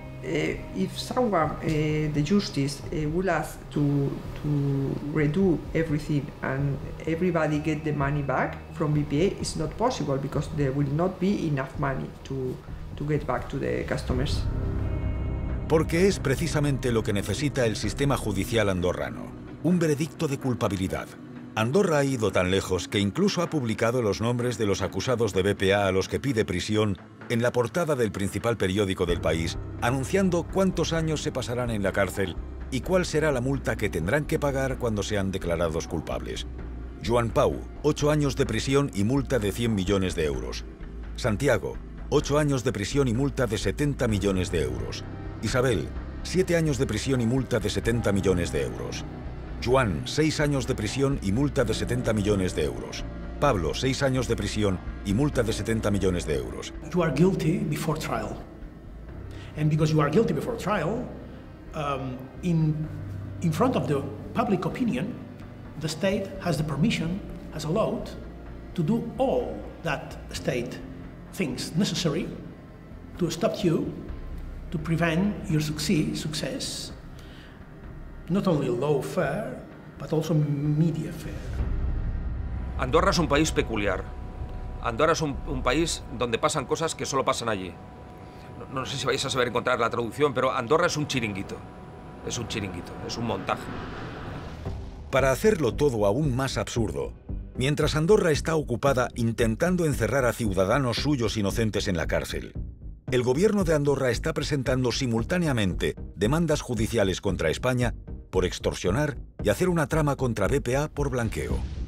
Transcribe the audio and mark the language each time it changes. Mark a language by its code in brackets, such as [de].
[en] If someone, the justice, will ask to redo everything and everybody get the money back from BPA, it's not possible, because there will not be enough money to get back to the customers. [es] Porque es precisamente lo que necesita el sistema judicial andorrano, un veredicto de culpabilidad. Andorra ha ido tan lejos que incluso ha publicado los nombres de los acusados de BPA a los que pide prisión en la portada del principal periódico del país, anunciando cuántos años se pasarán en la cárcel y cuál será la multa que tendrán que pagar cuando sean declarados culpables. Joan Pau, 8 años de prisión y multa de 100 millones de euros. Santiago, 8 años de prisión y multa de 70 millones de euros. Isabel, 7 años de prisión y multa de 70 millones de euros. Juan, 6 años de prisión y multa de 70 millones de euros. Pablo, 6 años de prisión y multa de 70 millones de euros. [en] You are guilty before trial. And because you are guilty before trial, in front of the public opinion, the state has the permission, has allowed, to do all that the state thinks necessary to stop you, to prevent your success, not only lawfare, but also media fare. [es] Andorra es un país peculiar. Andorra es un país donde pasan cosas que solo pasan allí. No, no sé si vais a saber encontrar la traducción, pero Andorra es un chiringuito. Es un chiringuito, es un montaje. Para hacerlo todo aún más absurdo, mientras Andorra está ocupada intentando encerrar a ciudadanos suyos inocentes en la cárcel, el gobierno de Andorra está presentando simultáneamente demandas judiciales contra España por extorsionar y hacer una trama contra BPA por blanqueo.